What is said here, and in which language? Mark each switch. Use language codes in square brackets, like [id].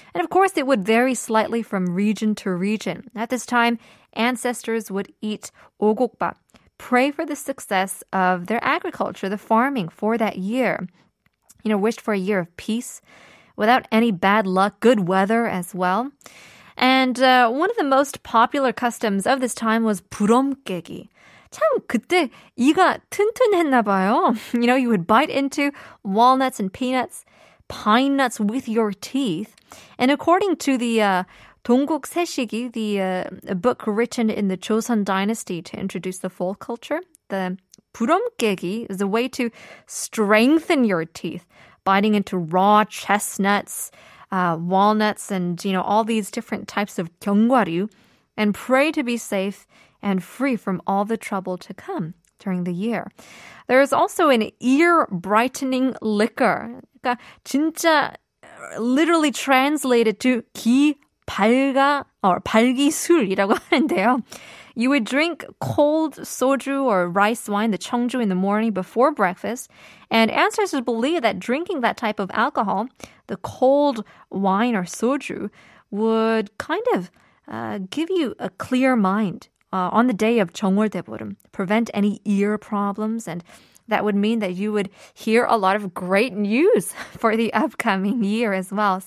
[en] And of course, it would vary slightly from region to region. At this time, ancestors would eat 오곡밥, pray for the success of their agriculture, the farming for that year. You know, wished for a year of peace, without any bad luck, good weather as well. And one of the most popular customs of this time was 부럼깨기. [ko] 참 그때 이가 튼튼했나 봐요. [en] You know, you would bite into walnuts and peanuts, pine nuts with your teeth. And according to the 동국 세식이, the book written in the Joseon Dynasty to introduce the folk culture, the 부럼깨기 is a way to strengthen your teeth, biting into raw chestnuts, walnuts, and, you know, all these different types of 견과류, and pray to be safe and free from all the trouble to come during the year. There is also an ear-brightening liquor. [ko] 그러니까 진짜 [en] literally translated to [ko] 귀 밝아 or 발기술이라고 하는데요. [en] You would drink cold soju or rice wine, the cheongju, in the morning before breakfast. And ancestors believe that drinking that type of alcohol, the cold wine or soju, would kind of give you a clear mind on the day of 정월 대보름, prevent any ear problems, and that would mean that you would hear a lot of great news for the upcoming year as well.